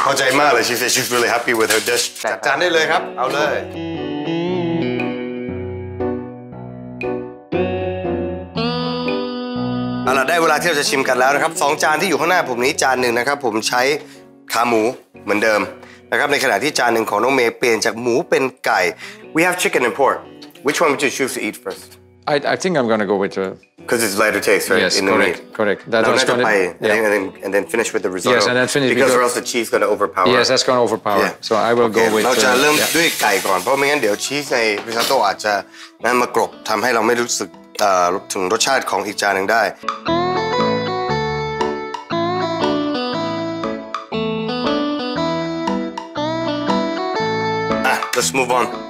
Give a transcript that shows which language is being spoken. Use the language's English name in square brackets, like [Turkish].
[Thai] พอใจมากเลย [English] she said she's really happy with her dish [Thai] จัดการได้เลยครับเอาเลยเอาล่ะได้เวลาที่เราจะชิมกันแล้วนะครับสองจานที่อยู่ข้างหน้าผมนี้จานหนึ่งนะครับผมใช้ขาหมูเหมือนเดิมนะครับในขณะที่จานหนึ่งของน้องเมย์เปลี่ยนจากหมูเป็นไก่ [English] we have chicken and pork which one would you choose to eat first I think I'm gonna go with the because it's lighter taste right yes, in correct, the meat correct that was gonna pie, and then finish with the risotto yes and then finish because else the cheese is gonna overpower yes that's gonna overpower yeah. so I will okay, go with [Thai] เราจะเริ่มด้วยไก่ก่อนเพราะไม่งั้นเดี๋ยวชีสในริซอตโต้อาจจะนั้นมากรบทำให้เราไม่รู้สึกถึงรสชาติของอีกจานหนึ่งได้ [English] Let's move on.